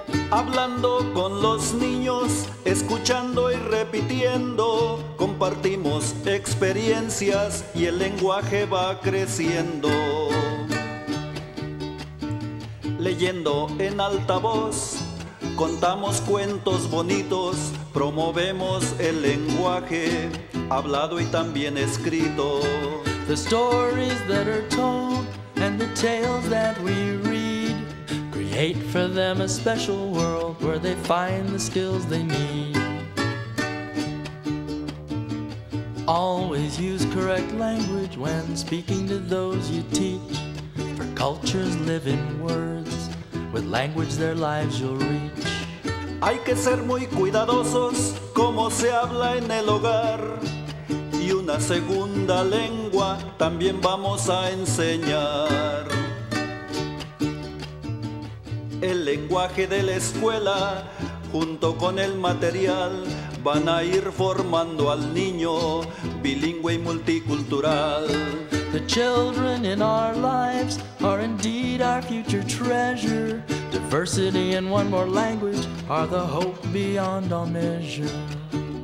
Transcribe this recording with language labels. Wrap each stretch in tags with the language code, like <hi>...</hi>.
<es>Hablando con los niños, escuchando y repitiendo, compartimos experiencias y el lenguaje va creciendo. Leyendo en alta voz, contamos cuentos bonitos, promovemos el lenguaje hablado y también escrito.</es> <en>The stories that are told and the tales that we read create for them a special world where they find the skills they need. Always use correct language when speaking to those you teach, for cultures live in words. With language, their lives you'll reach.</en> <es>Hay que ser muy cuidadosos como se habla en el hogar. Y una segunda lengua también vamos a enseñar. El lenguaje de la escuela junto con el material van a ir formando al niño bilingüe y multicultural.</es> <en>The children in our lives are indeed our future treasure. Diversity and one more language are the hope beyond all measure.</en>